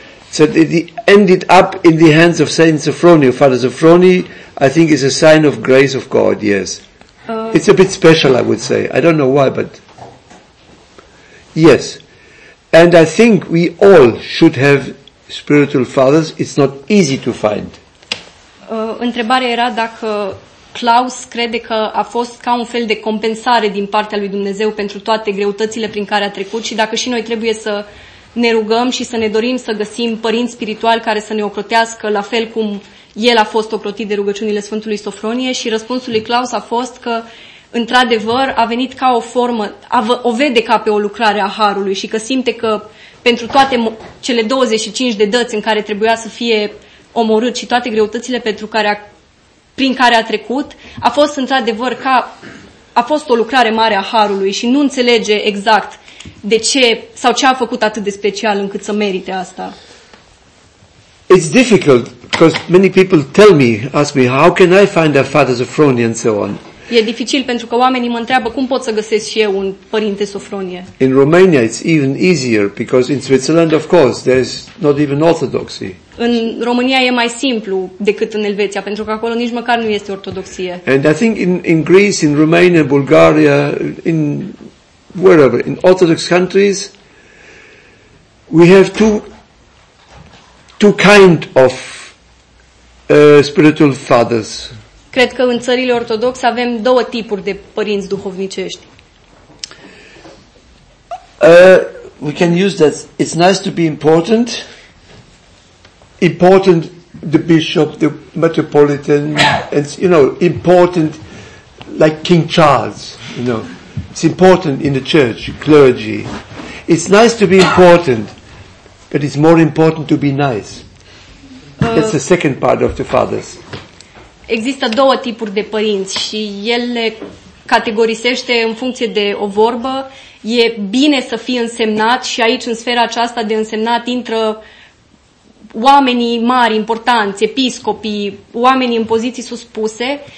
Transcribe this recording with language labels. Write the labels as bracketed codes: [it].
[en] So it ended up in the hands of Saint Sofroni, Father Sofroni, I think is a sign of grace of God, yes. It's a bit special, I would say. I don't know why, but yes. And I think we all should have spiritual fathers. It's not easy to find. [ro] Întrebarea era dacă Klaus crede că a fost ca un fel de compensare din partea lui Dumnezeu pentru toate greutățile prin care a trecut și dacă și noi trebuie să ne rugăm și să ne dorim să găsim părinți spirituali care să ne ocrotească la fel cum el a fost ocrotit de rugăciunile Sfântului Sofronie. Și răspunsul lui Klaus a fost că într-adevăr a venit ca o formă, o vede ca pe o lucrare a Harului și că simte că pentru toate cele 25 de dăți în care trebuia să fie omorât și toate greutățile pentru care prin care a trecut, a fost într-adevăr ca a fost o lucrare mare a Harului și nu înțelege exact de ce sau ce a făcut atât de special încât să merite asta. [en] It's difficult because many people ask me how can I find a father Sofronie and so on. [ro] E dificil pentru că oamenii mă întreabă cum pot să găsesc și eu un părinte Sofronie. [en] In Romania it's even easier because in Switzerland of course there's not even orthodoxy. [ro] În România e mai simplu decât în Elveția pentru că acolo nici măcar nu este ortodoxie. [en] And I think in Greece, in Romania, Bulgaria, in wherever, in Orthodox countries, we have two two kind of spiritual fathers. [ro] Cred că în țările ortodoxe avem două tipuri de părinți duhovnicești. [en] We can use that. It's nice to be important. Important, the bishop, the metropolitan, and you know, important, like King Charles. You know, it's important in the church, clergy. It's nice to be important, but it's more important to be nice. That's the second part of the fathers. [ro] Există două tipuri de părinți și el le categorisește în funcție de o vorbă. E bine să fii însemnat și aici, în sfera aceasta de însemnat, intră oamenii mari, importanți, episcopii, oamenii în poziții suspuse.